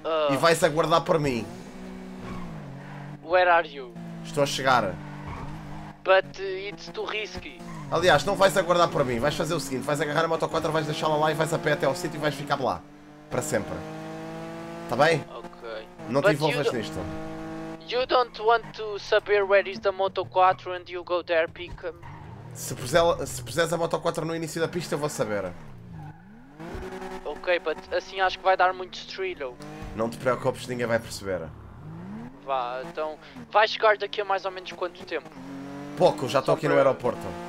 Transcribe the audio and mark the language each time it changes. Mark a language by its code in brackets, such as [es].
[pt] E vais aguardar por mim. [en] Where are you? [pt] Estou a chegar. [en] But it's too risky. [pt] Aliás, não vais aguardar por mim. Vais fazer o seguinte. Vais agarrar a moto 4, vais deixá-la lá e vais a pé até ao sítio e vais ficar lá. Para sempre. Está bem? Ok. Não te envolvas nisto. [en] You don't want to [pt] saber [en] where is the Moto 4 and you go there, pick him. [pt] Se puseres a Moto 4 no início da pista, eu vou saber. [en] Ok, but [pt] assim acho que vai dar muito estrilho. Não te preocupes, ninguém vai perceber. Vá, então... vai chegar daqui a mais ou menos quanto tempo? Pouco, já estou aqui no aeroporto.